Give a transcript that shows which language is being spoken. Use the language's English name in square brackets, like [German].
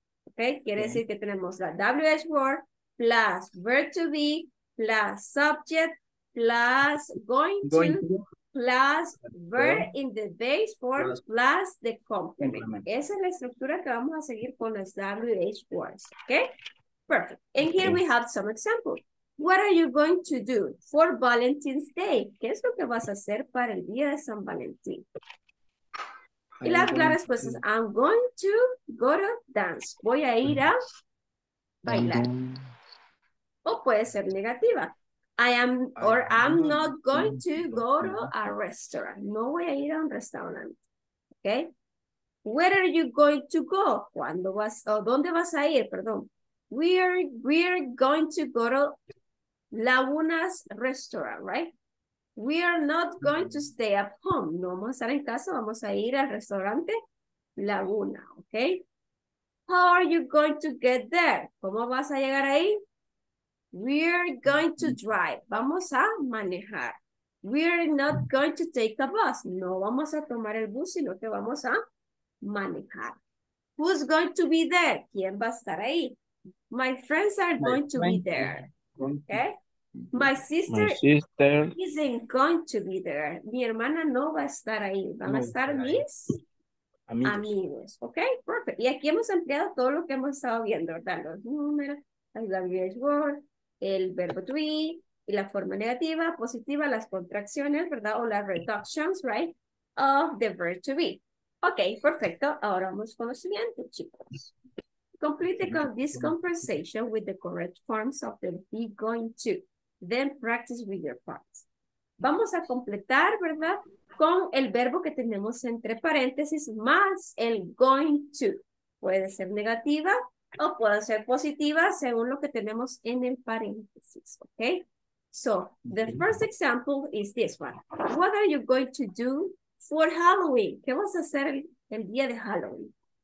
[English] ¿Okay? [Spanish] Quiere decir que tenemos la [English] WH word plus verb to be plus subject plus going to plus verb in the base form plus the complement. [Spanish] Esa es la estructura que vamos a seguir con las WH words. [English] Okay? Perfect. And here we have some examples. What are you going to do for Valentine's Day? [Spanish] ¿Qué es lo que vas a hacer para el día de San Valentín? Y la respuesta es, [English] I'm going to go to dance. [Spanish] Voy a ir a bailar. O puede ser negativa. [English] I'm not going to go to a restaurant. [Spanish] No voy a ir a un restaurante. Okay. [English] Where are you going to go? [Spanish] ¿Cuándo vas, o dónde vas a ir? Perdón. [English] We are going to go to Lagunas restaurant, right? We are not going to stay at home. [Spanish] No vamos a estar en casa, vamos a ir al restaurante Laguna, okay? [English] How are you going to get there? [Spanish] ¿Cómo vas a llegar ahí? [English] We are going to drive. [Spanish] Vamos a manejar. [English] We are not going to take a bus. [Spanish] No vamos a tomar el bus, sino que vamos a manejar. [English] Who's going to be there? [Spanish] ¿Quién va a estar ahí? [English] My friends are going to be there. Okay? My sister isn't going to be there. [Spanish] Mi hermana no va a estar ahí. Van a estar mis amigos. Okay, perfect. Y aquí hemos ampliado todo lo que hemos estado viendo, ¿verdad? Los números, las WH words, el verbo to be, y la forma negativa, positiva, las contracciones, ¿verdad? [English] O las reductions, right? Of the verb to be. Ok, perfecto. [Spanish] Ahora vamos con lo siguiente, chicos. [English] Complete this conversation with the correct forms of the be going to. Then practice with your parts. [Spanish] Vamos a completar, ¿verdad? Con el verbo que tenemos entre paréntesis más el going to. Puede ser negativa o puede ser positiva según lo que tenemos en el paréntesis, ¿ok? [English] So, the first example is this one. What are you going to do for Halloween? [Spanish] ¿Qué vas a hacer el día de Halloween?